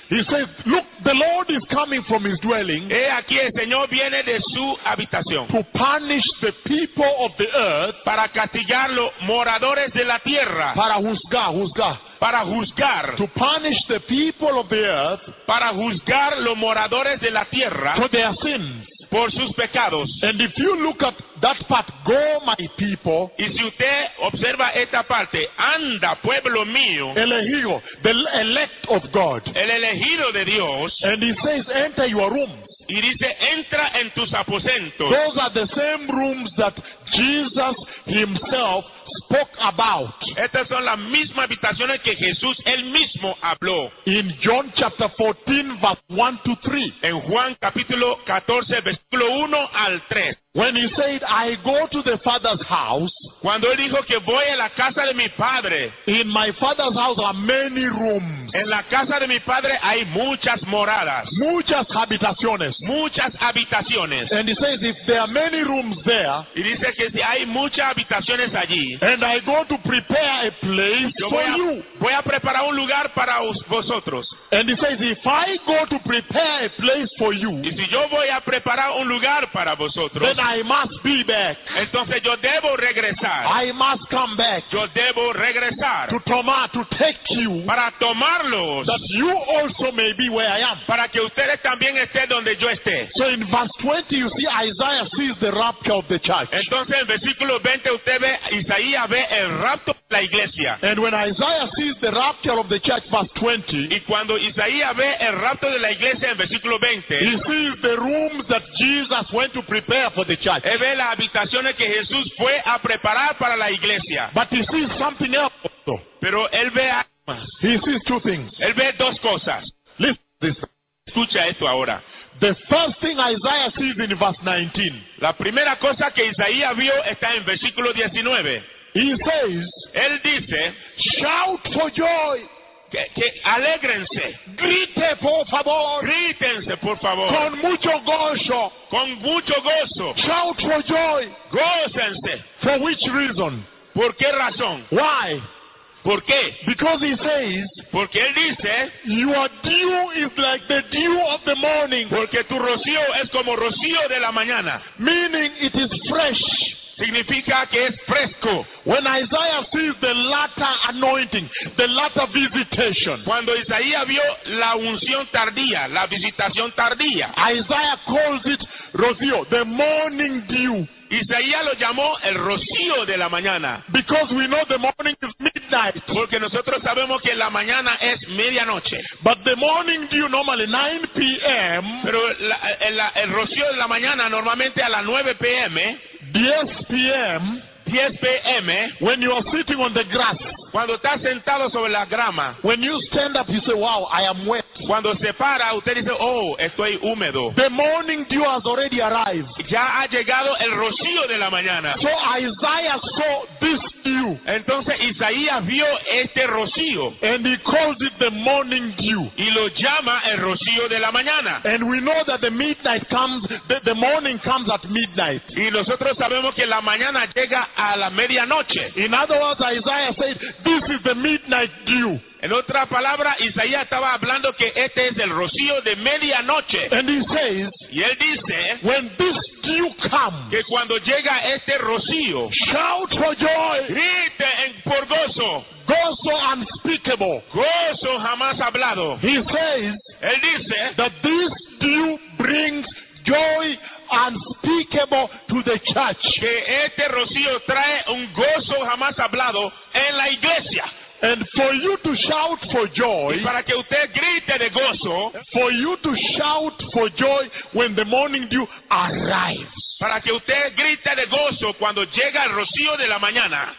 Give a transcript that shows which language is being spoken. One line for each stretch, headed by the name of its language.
English: He says, look, the Lord is coming from his dwelling.
Spanish: He aquí, el Señor viene de su habitación.
English: To punish the people of the earth.
Spanish: Para castigar los moradores de la tierra. Para juzgar, juzgar. Para juzgar.
English: To punish the people of the earth.
Spanish: Para juzgar los moradores de la tierra.
English: For their sins.
Spanish: Por sus pecados.
English: And if you look at that part, go my people.
Spanish: Y si usted observa esta parte, anda pueblo mío.
English: Elegido, the elect of God.
Spanish: El elegido de Dios.
English: And he says, enter your rooms.
Spanish: Y dice, entra en tus aposentos.
English: Those are the same rooms that Jesus himself spoke about.
Spanish: Estas son las mismas habitaciones que Jesús él mismo habló.
English: In John chapter 14, verse 1 to 3.
Spanish: En Juan capítulo 14, versículo 1 al 3.
English: When he said, I go to the Father's house.
Spanish: Cuando él dijo que voy a la casa de mi padre.
English: In my Father's house are many rooms.
Spanish: En la casa de mi padre hay muchas moradas. Muchas habitaciones. Muchas habitaciones.
English: And he says, if there are many rooms there.
Spanish: Y dice que si hay muchas habitaciones allí.
English: And I go to prepare a place for you.
Spanish: Voy a preparar un lugar para vosotros.
English: And he says, if I go to prepare a place for you.
Spanish: Y si yo voy a preparar un lugar para vosotros.
English: Then I must be back.
Spanish: Entonces yo debo regresar.
English: I must come back.
Spanish: Yo debo regresar.
English: To take you.
Spanish: Para tomarlos.
English: That you also may be where I am.
Spanish: Para que ustedes también estén donde yo esté.
English: So in verse 20 you see Isaiah sees the rapture of the church.
Spanish: Entonces en versículo 20 usted ve Isaías ve el rapto. la iglesia.
English: And when Isaiah sees the rapture of the church, verse 20,
Spanish: y cuando Isaías ve el rapto de la iglesia en versículo 20,
English: he sees the rooms that Jesus went to prepare for the church.
Spanish: Él ve las habitaciones que Jesús fue a preparar para la iglesia.
English: But he sees something else.
Spanish: Pero él ve
English: He sees two things.
Spanish: Él ve dos cosas.
English: Listen to this.
Spanish: Escucha esto ahora.
English: The first thing Isaiah sees in verse 19.
Spanish: La primera cosa que Isaías vio está en versículo 19.
English: He says,
Spanish: él dice, shout for joy. Que alégrense. Grite, por favor. Grítense, por favor. Con mucho gozo. Con mucho gozo.
English: Shout for joy.
Spanish: Gócense.
English: For which reason?
Spanish: ¿Por qué razón?
English: Why?
Spanish: ¿Por qué?
English: Because he says,
Spanish: porque él dice,
English: your dew is like the dew of the morning.
Spanish: Porque tu rocío es como rocío de la mañana.
English: Meaning it is fresh.
Spanish: Significa que es fresco.
English: When Isaiah sees the latter anointing, the latter visitation.
Spanish: Cuando Isaías vio la unción tardía, la visitación tardía.
English: Isaiah calls it rocío, the morning dew.
Spanish: Isaías lo llamó el rocío de la mañana.
English: Because we know the morning is midnight.
Spanish: Porque nosotros sabemos que la mañana es medianoche.
English: But the morning dew normally 9 p.m.
Spanish: Pero el rocío de la mañana normalmente a las 9 p.m.
English: 10 p.m.
Spanish: 10 p.m.
English: When you are sitting on the grass.
Spanish: Cuando estás sentado sobre la grama.
English: When you stand up, you say, wow, I am wet.
Spanish: Cuando se para, usted dice, oh, estoy húmedo.
English: The morning dew has already arrived.
Spanish: Ya ha llegado el rocío de la mañana.
English: So Isaiah saw this dew.
Spanish: Entonces Isaías vio este rocío.
English: And he calls it the morning dew.
Spanish: Y lo llama el rocío de la mañana.
English: And we know that the midnight comes, the morning comes at midnight.
Spanish: Y nosotros sabemos que la mañana llega a la medianoche.
English: In other words, Isaiah said, this is the midnight dew.
Spanish: En otra palabra, Isaías estaba hablando que este es el rocío de medianoche.
English: And he says,
Spanish: y él dice,
English: when this dew comes,
Spanish: que cuando llega este rocío,
English: shout for joy,
Spanish: grite en por gozo,
English: gozo unspeakable,
Spanish: gozo jamás hablado.
English: He says,
Spanish: él dice,
English: that this dew brings joy unspeakable to the church.
Spanish: Que este rocío trae un gozo jamás hablado en la iglesia.
English: And for you to shout for joy,
Spanish: y para que usted grite de gozo,
English: for you to shout for joy when the morning dew arrives.
Spanish: Para que usted grite de gozo cuando llega el rocío de la mañana.